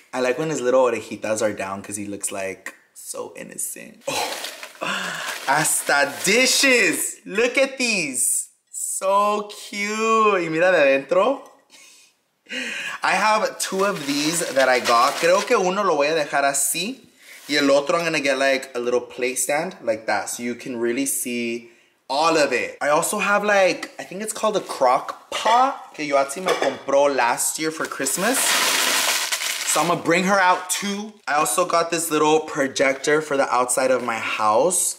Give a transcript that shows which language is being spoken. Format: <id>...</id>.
<en>I like when his little orejitas are down because he looks like so innocent.</en> <es>Oh, hasta dishes.</es> <en>Look at these. So cute.</en> <es>Y mira de adentro.</es> <en>I have two of these that I got.</en> <es>Creo que uno lo voy a dejar así. Y el otro,</es> <en>I'm gonna get like a little play stand like that. So you can really see all of it. I also have like, I think it's called a crock pot.</en> <es>Que Yoatsi me compró</es> <en>last year for Christmas. So I'm gonna bring her out too. I also got this little projector for the outside of my house.</en>